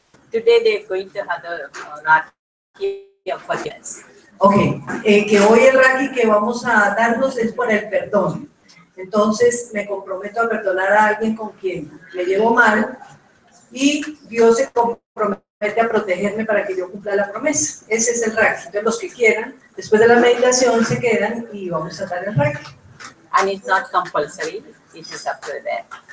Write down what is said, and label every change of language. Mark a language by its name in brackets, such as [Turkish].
[English] Today they're going to have the Raki for us. [Spanish] Ok, que hoy el Raki que vamos a darnos es por el perdón. Entonces me comprometo a perdonar a alguien con quien me llevo mal y Dios se compromete a protegerme para que yo cumpla la promesa. Ese es el Raki. Entonces los que quieran, después de la meditación se quedan y vamos a dar el Raki. [English] And it's not compulsory, it is up to them.